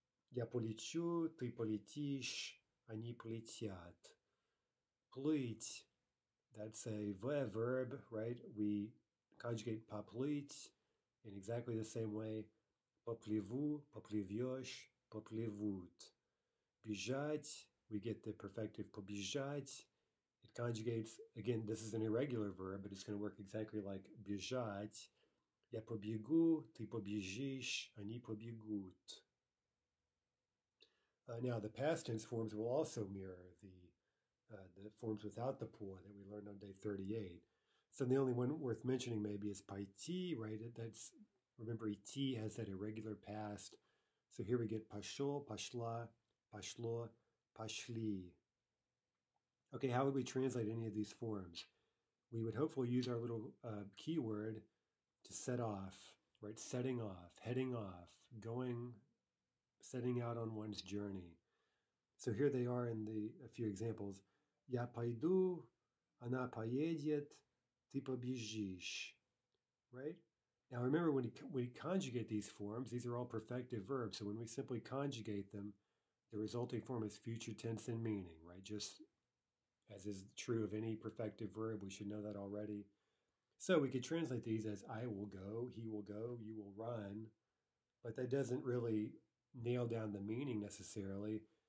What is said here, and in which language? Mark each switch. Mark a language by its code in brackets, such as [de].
[ru] Я полечу, ты полетишь, они полетят. [en] Плыть, that's a verb, right? We conjugate поплыть in exactly the same way. [ru] Поплыву, поплывешь, поплывут. [en] Бежать, we get the perfective побежать. It conjugates, again, this is an irregular verb, but it's going to work exactly like бежать. [ru] Я побегу, ты побежишь, они побегут. [en] Now the past tense forms will also mirror the forms without the по that we learned on day 38. So the only one worth mentioning maybe is пойти, right? That's remember идти has that irregular past. So here we get [ru] пошел, пошла, пошло, пошли. [en] Okay, how would we translate any of these forms? We would hopefully use our little keyword to set off, right? Setting off, heading off, going. Setting out on one's journey. So here they are in the a few examples. [ru] Я пойду, она поедет, ты побежишь. [en] Right? Now remember, when we conjugate these forms, these are all perfective verbs. So when we simply conjugate them, the resulting form is future tense and meaning, right? Just as is true of any perfective verb. We should know that already. So we could translate these as I will go, he will go, you will run, but that doesn't really nail down the meaning necessarily.